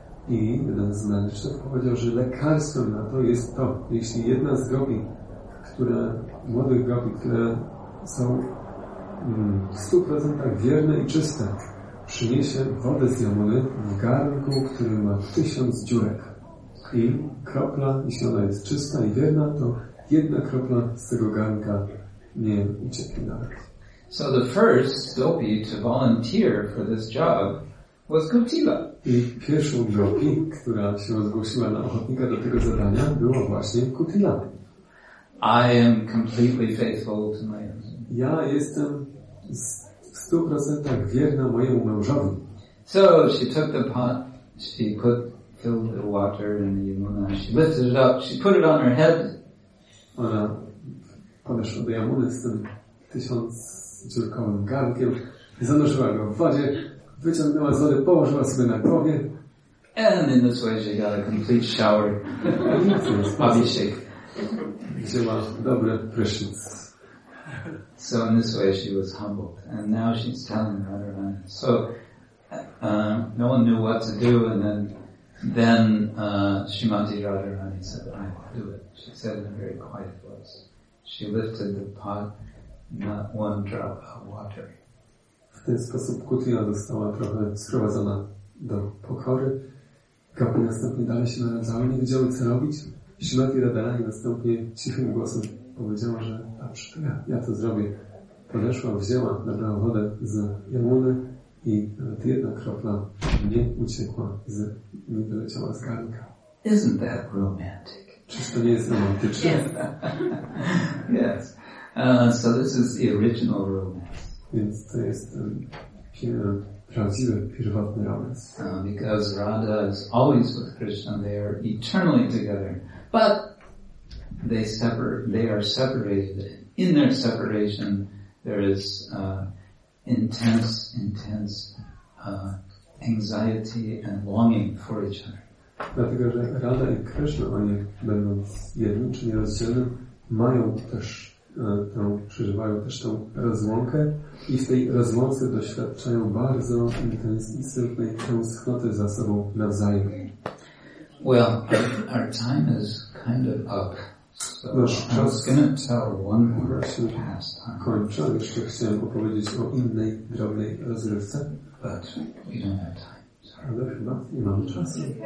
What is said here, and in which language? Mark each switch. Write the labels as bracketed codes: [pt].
[pl] I jeden z mędrców powiedział, że lekarstwem na to jest to, jeśli jedna z gopi, które, młodych gopi, które są w 100% wierne i czyste, przyniesie wodę z Jamuny w garnku, który ma 1000 dziurek. I kropla, jeśli ona jest czysta i wierna, to jedna kropla z tego garnka nie ucieknie nawet. [en] So the first gopi to volunteer for this job was Kutila. [pl] I pierwszą gopi, która się zgłosiła na ochotnika do tego zadania, była właśnie Kutila. [en] I am completely faithful to my husband. [pl] Ja jestem w 100% wierna mojemu mężowi. [en] So she took the pot, she put filled the water in the Yamuna. She lifted it up. She put it on her head. [pl] Ona podeszła do Yamuny z tym 1000-dziurkowym garnkiem. Zanurzyła go w wodzie. Wyciągnęła z wody, położyła sobie na głowie. And in this way she got a complete shower. Abhishek. Wzięła dobry prysznic. [en] So in this way she was humbled. And now she's telling Radharani. So no one knew what to do, and then Srimati Radharani said, I will do it. She said in a very quiet voice. She lifted the pot, not one drop of water. [pl] W ten sposób Kutija została trochę sprowadzona do pokory. Kapu następnie dalej się naradzała, nie wiedziały co robić. Śmati Radharani następnie cichym głosem powiedziała, że a przytyga, ja to zrobię. Podeszła, wzięła, nabrała wodę z Jamuny i nawet jedna kropla nie uciekła, nie wyleciała z garnka. [en] Isn't that romantic? [pl] Czyż to nie jest romantyczne? [en] Yes. Yes. So this is the original romance. [pl] Więc to jest prawdziwy, pierwotny romans. [en] Because Radha is always with Krishna, they are eternally together. But they are separated. In their separation, there is intense anxiety and longing for each other. [pl] Dlatego, że Radha i Krishna, oni będąc jednym czy nierozdzielnym, mają też przeżywają też tą rozłąkę i w tej rozłące doświadczają bardzo intensywnej tęsknoty za sobą nawzajem. [en] Well, our time is kind of up. So I'm just going to tell one more pastime. [pl] Kończę, jeszcze chciałem opowiedzieć o innej drobnej rozrywce. [en] But we don't have time. Sorry. [pl] Ale chyba nie mamy czasu.